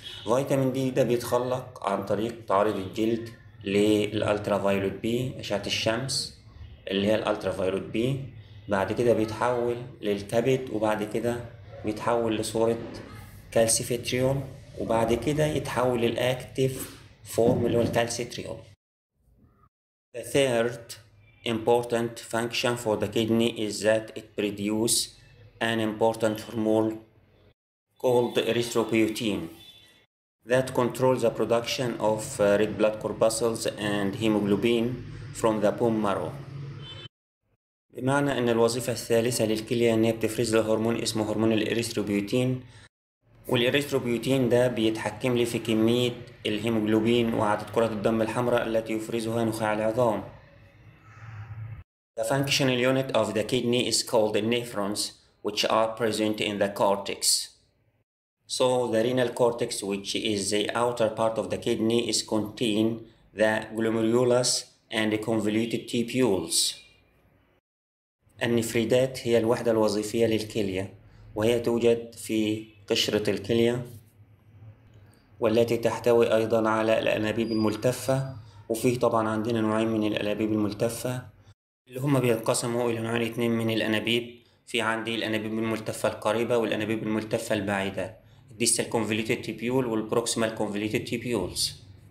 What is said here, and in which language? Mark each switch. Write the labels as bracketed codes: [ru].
[ar] فيتامين دي ده بيتخلق عن طريق تعريض الجلد للالترا فايولوت بي، اشعة الشمس اللي هي الالترا فايولوت بي، بعد كده بيتحول للكبد، وبعد كده بيتحول لصورة كالسيفيتريول، وبعد كده يتحول للأكتيف فورم اللي هو الكالسيتريول. [en] The third important function for the kidney is that it produces an important hormone called erythropoietin that controls the production of red blood corpuscles and hemoglobin from the bone marrow. [ar] بمعنى ان الوظيفه الثالثه للكليه ان هي بتفرز الهرمون اسمه هرمون الاريثروبيوتين، والاريثروبيوتين ده بيتحكم لي في كميه الهيموجلوبين وعدد كرات الدم الحمراء التي يفرزها نخاع العظام. [en] The functional unit of the kidney is called the nephrons which are present in the cortex. So the renal cortex which is the outer part of the kidney is contain the glomerulus and the convoluted tubules. [ar] النفريدات هي الوحدة الوظيفية للكلية، وهي توجد في قشرة الكلية والتي تحتوي أيضا على الأنابيب الملتفة. وفيه طبعا عندنا نوعين من الأنابيب الملتفة اللي هما بينقسموا إلى نوعين اتنين من الأنابيب، في عندي الأنابيب الملتفة القريبة والأنابيب الملتفة البعيدة، الديستال كونفوليتد تيبيول والبروكسيمال كونفوليتد تيبيولز.